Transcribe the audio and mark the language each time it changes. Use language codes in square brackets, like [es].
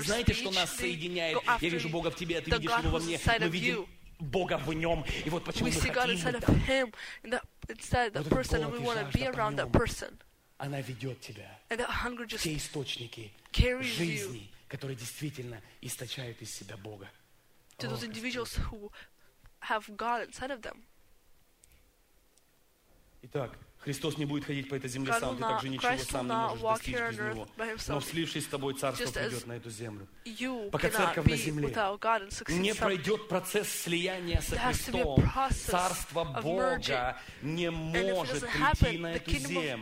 [ru] Знаете, что нас соединяет? Я вижу Бога в тебе, а ты видишь Его во мне. Мы видим Бога в нем. И вот почему мы хотим это. Вот этот Бог, она ведет тебя. Все источники жизни, которые действительно источают из себя Бога. [en] To those individuals who have God inside of them. [ru] Итак, Христос не будет ходить по этой земле сам, ты также ничего сам не можешь достичь без Него. Но слившись с тобой, Царство придет на эту землю. Пока Церковь на земле не пройдет процесс слияния со Христом, Царство Бога не может прийти на эту землю.